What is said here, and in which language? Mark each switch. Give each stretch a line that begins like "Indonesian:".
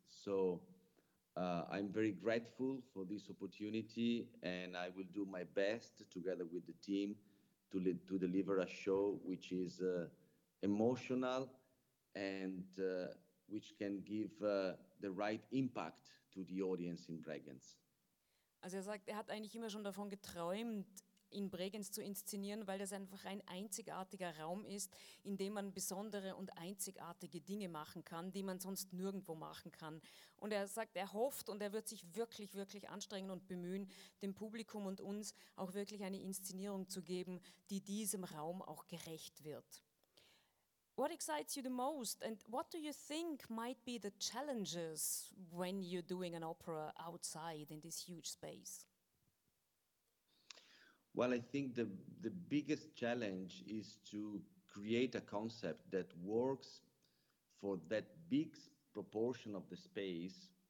English: So I'm very grateful for this opportunity, and I will do my best together with the team to deliver a show which is emotional and which can give the right impact to the audience in Bregenz.
German: Also er sagt, er hat eigentlich immer schon davon geträumt, in Bregenz zu inszenieren, weil das einfach ein einzigartiger Raum ist, in dem man besondere und einzigartige Dinge machen kann, die man sonst nirgendwo machen kann. Und er sagt, er hofft und er wird sich wirklich, wirklich anstrengen und bemühen, dem Publikum und uns auch wirklich eine Inszenierung zu geben, die diesem Raum auch gerecht wird.
English: What excites you the most and what do you think might be the challenges when you're doing an opera outside in this huge space? Well, I think the biggest challenge is to create a concept that works for that big proportion of the space,